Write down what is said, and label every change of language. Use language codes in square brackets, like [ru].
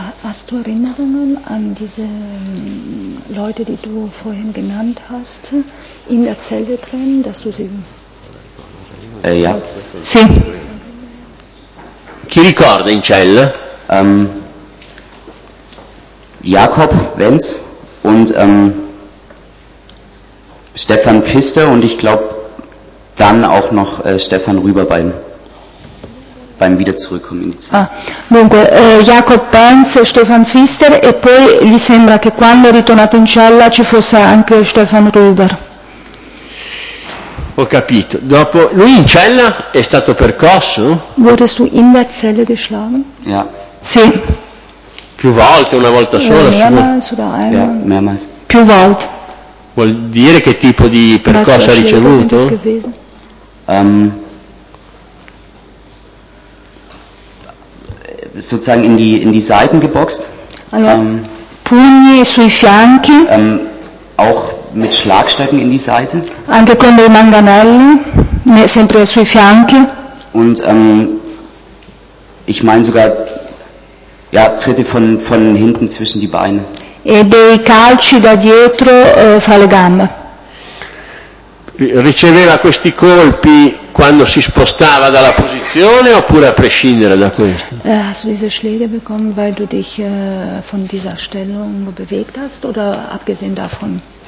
[de] Hast du Erinnerungen an diese Leute, die du vorhin genannt hast, in der Zelle drin, dass du sie Ja. [it] Sì. Chi ricorda in cella? [de] Jakob Wenz und Stefan Pfister und ich glaube dann auch noch Stefan Rüberbein beim Wiederzurückkommen in die Zeit. [it] Ah, dunque, Jakob Wenz, Stefan Pfister e poi gli sembra che quando è ritornato in cella ci fosse anche Stefan Rüber. Ho capito. Dopo lui in cella è stato percosso? [de] Wurdest du in der Zelle geschlagen? Ja. [it] Sì. Più volte, una volta sola? [de] Mehrmals. [it] Più volte. Vuol dire che tipo di percorso ha ricevuto? [de] Sozusagen in die Seiten geboxt. [it] Allora, pugni sui fianchi. [de] Auch mit Schlagstöcken in die Seite. [it] Anche con dei manganelli, sempre sui fianchi. [de] Und ich meine sogar, ja, Tritte von hinten zwischen die Beine. [it] E dei calci da dietro fra le gambe. Riceveva questi colpi quando si spostava dalla posizione oppure a prescindere da questo? [de] Hast du diese Schläge bekommen, weil du dich von dieser Stellung bewegt hast oder abgesehen davon?